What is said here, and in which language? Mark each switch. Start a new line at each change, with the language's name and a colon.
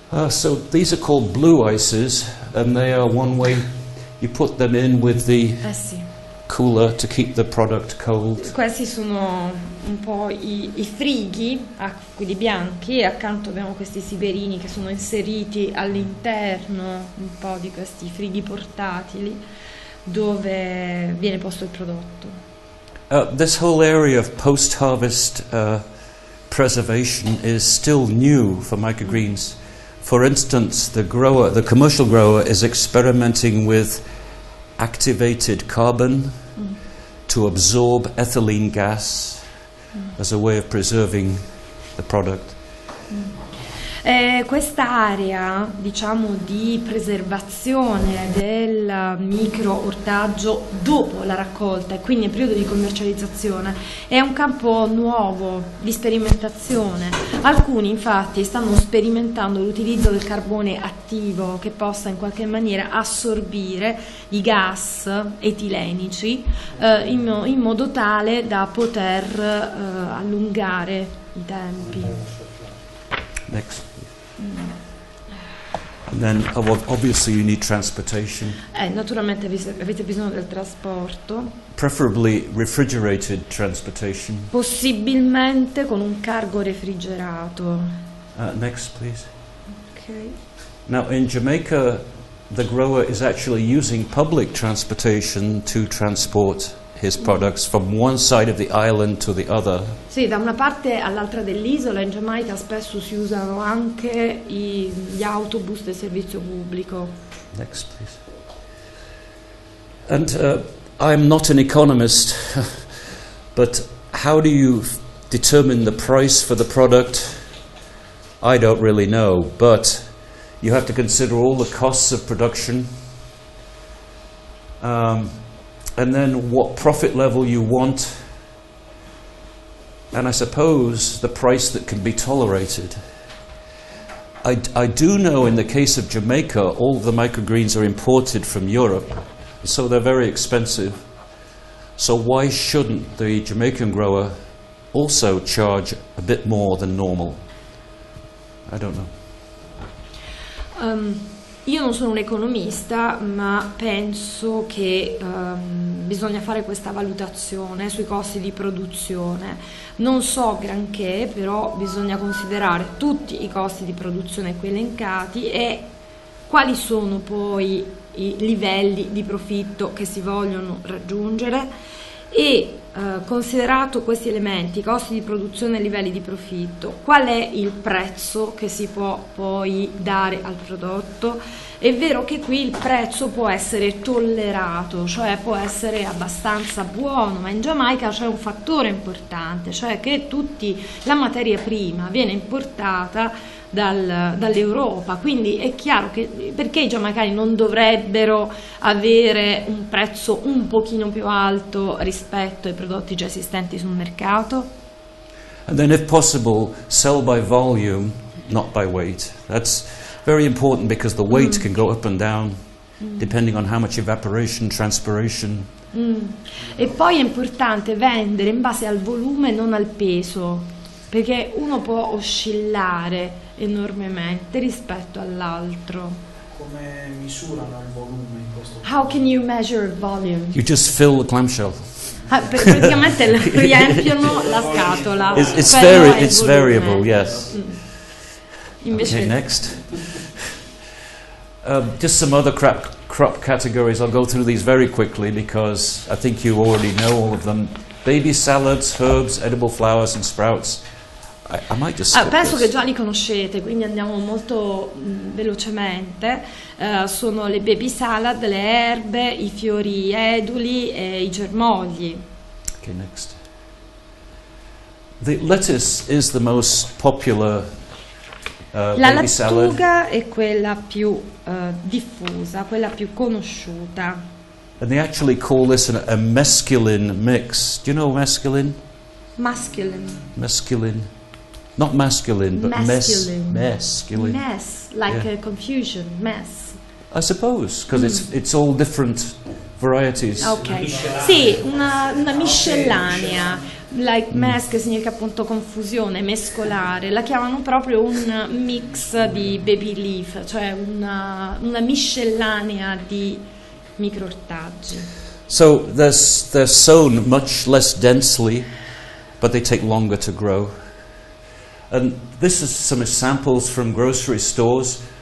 English: So these are called blue ices, and they are one way you put them in with the cooler to keep the product cold.
Italian: Questi sono un po' i frighi, quelli bianchi, e accanto abbiamo questi siberini che sono inseriti all'interno un po' di questi frighi portatili, dove viene posto il prodotto.
English: This whole area of post-harvest preservation is still new for microgreens. For instance, the commercial grower is experimenting with activated carbon to absorb ethylene gas as a way of preserving the product.
Italian: Quest'area, diciamo, di preservazione del micro ortaggio dopo la raccolta e quindi nel periodo di commercializzazione è un campo nuovo di sperimentazione. Alcuni infatti stanno sperimentando l'utilizzo del carbone attivo che possa in qualche maniera assorbire i gas etilenici in modo tale da poter allungare i tempi.
English: Next. And then obviously you need transportation.
Italian: Naturalmente avete bisogno del trasporto.
English: Preferably refrigerated transportation.
Italian: Possibilmente con un cargo refrigerato.
English: Next, please. Okay. Now in Jamaica, the grower is actually using public transportation to transport his products from one side of the island to the other.
Italian: Sì, da una parte all'altra dell'isola, in Giamaica spesso si usano anche gli autobus del servizio pubblico.
English: Next, please. And I'm not an economist, but how do you determine the price for the product? I don't really know, but you have to consider all the costs of production. And then what profit level you want, and I suppose the price that can be tolerated. I do know in the case of Jamaica, all the microgreens are imported from Europe, so they're very expensive. So why shouldn't the Jamaican grower also charge a bit more than normal? I don't know.
Italian: Io non sono un economista, ma penso che bisogna fare questa valutazione sui costi di produzione. Non so granché, però bisogna considerare tutti i costi di produzione qui elencati e quali sono poi i livelli di profitto che si vogliono raggiungere. E considerato questi elementi, costi di produzione e livelli di profitto, qual è il prezzo che si può poi dare al prodotto? È vero che qui il prezzo può essere tollerato, cioè può essere abbastanza buono, ma in Giamaica c'è un fattore importante, cioè che tutti la materia prima viene importata dall'Europa, quindi è chiaro che perché i giamaicani non dovrebbero avere un prezzo un pochino più alto rispetto ai prodotti già esistenti sul mercato.
English: And then if possible sell by volume, not by weight. That's very important because the weight can go up and down depending on how much evaporation, transpiration.
Italian: E poi è importante vendere in base al volume, non al peso, perché uno può oscillare enormemente rispetto all'altro. Come misurano il volume in questo caso?
English: How can you measure volume? You just fill the clamshell.
Italian: Praticamente riempiono la scatola.
English: It's variable, yes.
Italian: Invece
English: okay, next. Just some other crop categories. I'll go through these very quickly because I think you already know all of them. Baby salads, herbs, edible flowers and sprouts. I might just
Italian: penso
English: this.
Italian: Che già li conoscete, quindi andiamo molto velocemente. Sono le baby salad, le erbe, i fiori eduli e i germogli.
English: Okay, next. The lettuce is the most popular baby
Italian: lattuga
English: salad.
Italian: La lattuga è quella più diffusa, quella più conosciuta.
English: And they actually call this a mesculine mix. Do you know mesculine? Masculine. Not masculine, but mesculine. Mess, like a confusion, mess. I suppose, because it's all different varieties.
Italian: Okay. Sì, una miscellanea.
English: Like mess,
Italian: che significa appunto confusione, mescolare. La chiamano proprio un mix di baby leaf, cioè una miscellanea di microortaggi.
English: So they're sown much less densely, but they take longer to grow. And this is some samples from grocery stores.